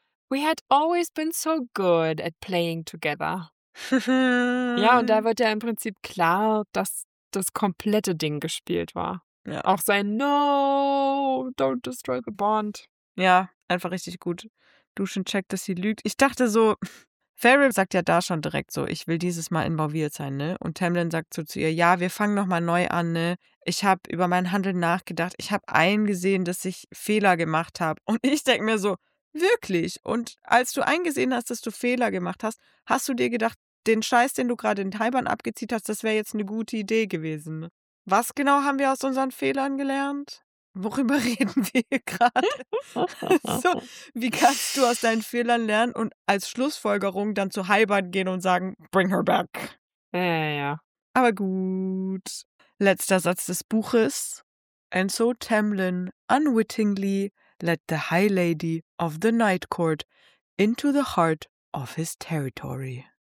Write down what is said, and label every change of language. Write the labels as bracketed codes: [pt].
[en] We had always been so good at playing together. [de] Ja, und da wird ja im Prinzip klar, dass das komplette Ding gespielt war. Ja. Auch sein [en] No, don't destroy the bond. [de] Ja, einfach richtig gut. Duschen checkt, dass sie lügt. Ich dachte so, Farrell sagt ja da schon direkt so, ich will dieses Mal involviert sein, ne? Und Tamlin sagt so zu ihr, ja, wir fangen nochmal neu an, ne? Ich habe über meinen Handel nachgedacht. Ich habe eingesehen, dass ich Fehler gemacht habe. Und ich denke mir so, wirklich? Und als du eingesehen hast, dass du Fehler gemacht hast, hast du dir gedacht, den Scheiß, den du gerade in Taiwan abgezieht hast, das wäre jetzt eine gute Idee gewesen. Was genau haben wir aus unseren Fehlern gelernt? Worüber reden wir gerade? So, wie kannst du aus deinen Fehlern lernen und als Schlussfolgerung dann zu Haibern gehen und sagen, [en] bring her back? [de] Ja. Aber gut. Letzter Satz des Buches. [en] And so Tamlin unwittingly led the High Lady of the Night Court into the heart of his territory.